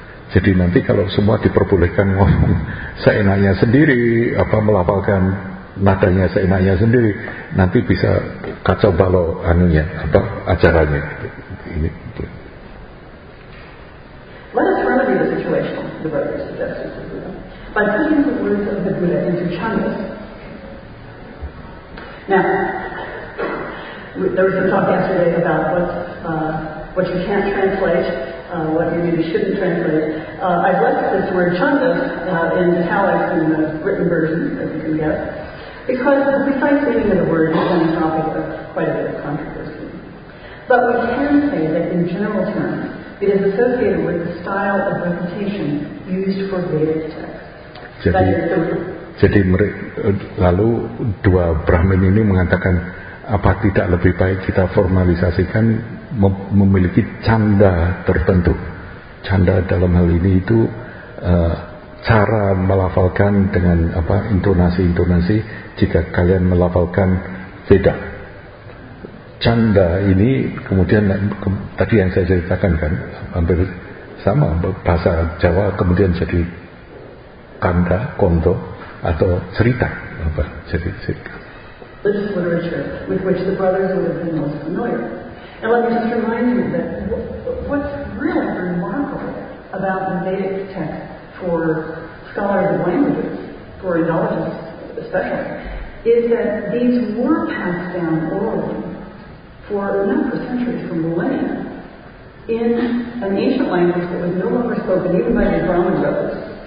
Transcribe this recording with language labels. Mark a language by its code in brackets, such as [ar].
[id] Jadi nanti kalau semua diperbolehkan ngomong seenaknya sendiri, apa melafalkan nadanya seenaknya sendiri, nanti bisa kacau balau anunya atau ajarannya. Ini. [en] Let us remedy the situation, the brothers suggested to Buddha, by putting the words of the Buddha into Chandas. Now, there was some talk yesterday about what you can't translate, what you maybe shouldn't translate. I've left this word chandas in italics in the written version, as you can guess, because the precise meaning of the word is on the topic of quite a bit of controversy. But we can say that in general terms, it is associated with the style of recitation used for Vedic texts. [id] Jadi lalu dua Brahmin ini mengatakan, apa tidak lebih baik kita formalisasikan memiliki canda tertentu. Canda dalam hal ini itu cara melafalkan dengan apa intonasi-intonasi jika kalian melafalkan Veda. Canda ini kemudian tadi yang saya ceritakan kan hampir sama bahasa Jawa kemudian jadi kanda, konto atau cerita apa cerita. [en] This is literature with which the brothers would have been most familiar. And let me just remind you that what's really remarkable about the Vedic text for scholars of languages, for Indologists especially, is that these were passed down orally for centuries, for millennia, in an ancient language that was no longer spoken, even by the Brahmanas.